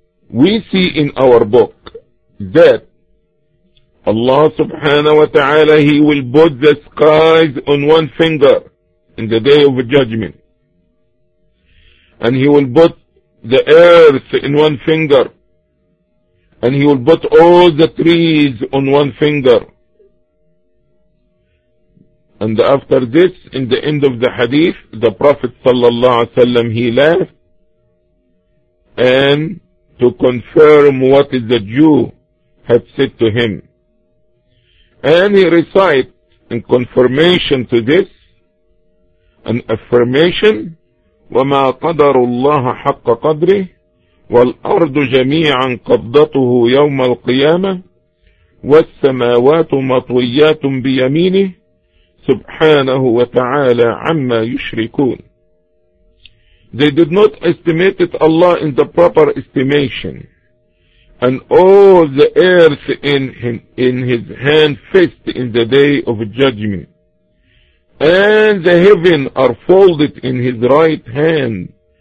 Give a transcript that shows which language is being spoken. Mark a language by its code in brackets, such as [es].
[en] we see in our book that Allah subhanahu wa ta'ala, He will put the skies on one finger in the day of judgment, and He will put the earth in one finger, and He will put all the trees on one finger. And after this, in the end of the hadith, the Prophet sallallahu alaihi wasallam, he laughed, and to confirm what the Jew had said to him. And he recited in confirmation to this, an affirmation, [ar] وَمَا قَدَرُ اللَّهَ حَقَّ قَدْرِهِ وَالْأَرْضُ جَمِيعًا قَبْضَتُهُ يَوْمَ الْقِيَامَةِ وَالسَّمَاوَاتُ مَطْوِيَّاتٌ بِيَمِينِهِ سبحانه وتعالى عما يشركون. [en] They did not estimate Allah in the proper estimation. And all the earth in his hand fixed in the day of judgment. And the heaven are folded in his right hand.